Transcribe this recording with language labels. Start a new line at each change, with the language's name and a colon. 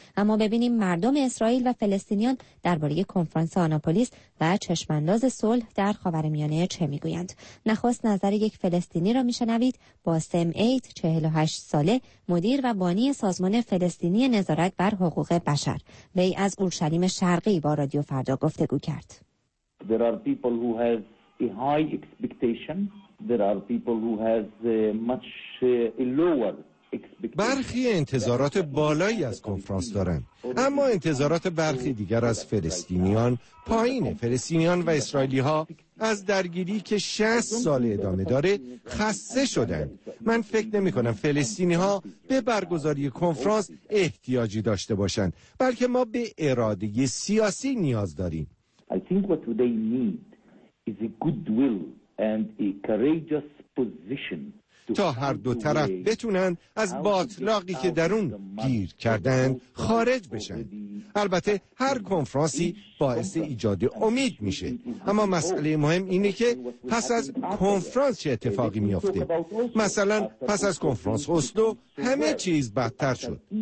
Persian: اما ببینیم مردم اسرائیل و فلسطینیان درباره کنفرانس آناپولیس و چشم‌انداز صلح در خاورمیانه چه می‌گویند. نخست نظر یک فلسطینی را می‌شنوید. باسم عید، 48 ساله، مدیر و بانی سازمان فلسطینی نظارت بر حقوق بشر. وی از اورشلیم شرقی با رادیو فردا گفتگو کرد.
English: There are people who have a high expectation. There are people who has much lower expectations.
Persian: برخی انتظارات بالایی از کنفرانس دارند، اما انتظارات برخی دیگر از فلسطینیان پایینه. فلسطینیان و اسرائیلی ها از درگیری که 60 سال ادامه داره خسته شدند. من فکر نمی کنم فلسطینی ها به برگزاری کنفرانس احتیاجی داشته باشند، بلکه ما به اراده سیاسی نیاز داریم.
English: I think what they need is a goodwill and a courageous position.
Persian: تا هر دو طرف بتونن از باطلاقی که در اون گیر کردن خارج بشن. البته هر کنفرانسی باعث ایجاد امید میشه، اما مسئله مهم اینه که پس از کنفرانس چه اتفاقی میافته. مثلا پس از کنفرانس اسلو همه چیز بدتر شد.